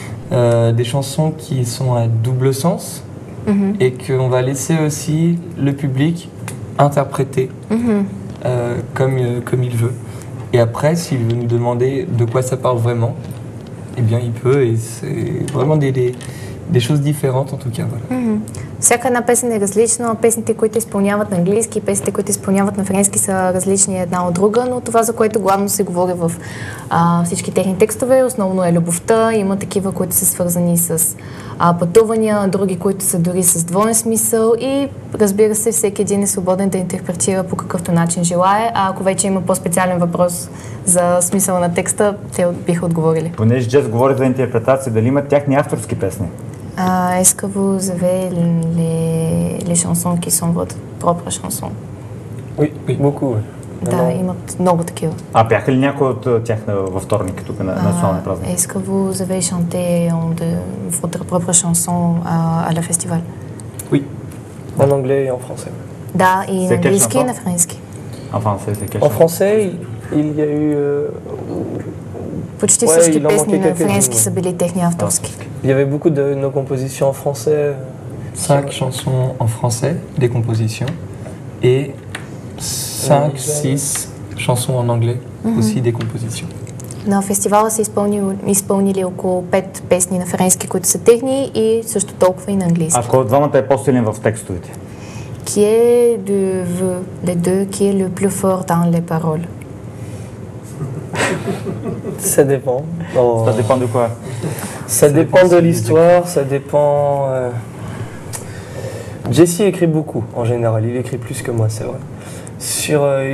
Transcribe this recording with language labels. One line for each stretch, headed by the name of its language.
French: Des chansons qui sont à double sens. Mm-hmm. Et qu'on va laisser aussi le public... interpréter comme il veut. Et après, s'il veut nous demander de quoi ça parle vraiment, eh bien, il peut. Et c'est vraiment des choses différentes, en tout cas. Voilà. Mm-hmm.
Bulgarian: Всяка една песен е различна. Песните, които изпълняват на английски, песните, които изпълняват на френски, са различни една от друга. Но това, за което главно се говори в всички техни текстове, основно е любовта. Има такива, които са свързани с пътувания, други, които са дори с двоен смисъл. И разбира се, всеки един е свободен да интерпретира по какъвто начин желае. А ако вече има по-специален въпрос за смисъла на текста, те биха отговорили. Понеже джаз говори за интерпретация, дали имат тяхни авторски песни?
French: Est-ce que vous avez les chansons qui sont votre propre chanson? Oui, oui. Beaucoup.
Bulgarian: Да, имат много такива. А бяха ли някои от тях във вторник тук на националния празник?
French: Est-ce que vous avez chanté votre propre chanson à la festival? Oui. En anglais et en français.
Bulgarian: Да, и на английски и на френски.
French: En français, c'est quelle chanson? En français, il y a eu...
Bulgarian: Почти всички песни на френски са били техни авторски.
French: Il y avait beaucoup de nos compositions en français. 5 chansons en français, des compositions. Et 5-6 chansons en anglais, aussi des compositions.
Bulgarian: На фестивала са изпълнили около 5 песни на френски, които са техни, и също толкова и на английски. А кой от двамата е по-силен в текстовете?
French: Qui est de vous, les deux, qui est le plus fort dans les paroles? Ça dépend. Oh. Ça dépend de quoi? Ça dépend de l'histoire, musique. Ça dépend... Jesse écrit beaucoup, en général. Il écrit plus que moi, c'est vrai.